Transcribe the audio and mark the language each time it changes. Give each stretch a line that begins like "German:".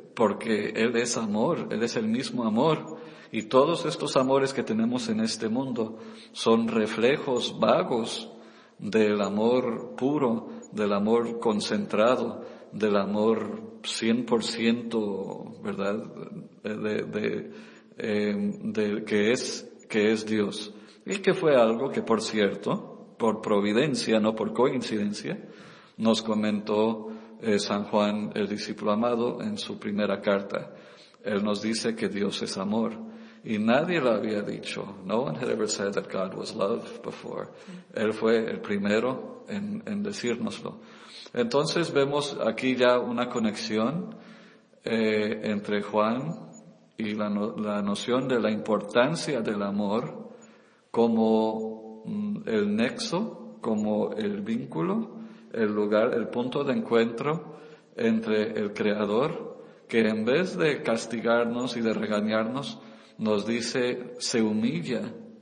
Spanish: porque Él es amor, Él es el mismo amor. Y todos estos amores que tenemos en este mundo son reflejos vagos del amor puro, del amor concentrado, del amor 100%, ¿verdad? Que es Dios. Y que fue algo que, por cierto, por providencia, no por coincidencia, nos comentó San Juan, el discípulo amado, en su primera carta. Él nos dice que Dios es amor. Y nadie lo había dicho.
English: No one had ever said that God was love before.
Spanish: Él fue el primero en decírnoslo. Entonces vemos aquí ya una conexión entre Juan y la noción de la importancia del amor como el nexo, como el vínculo, el lugar, el punto de encuentro entre el Creador, que en vez de castigarnos y de regañarnos, nos dice, se humilla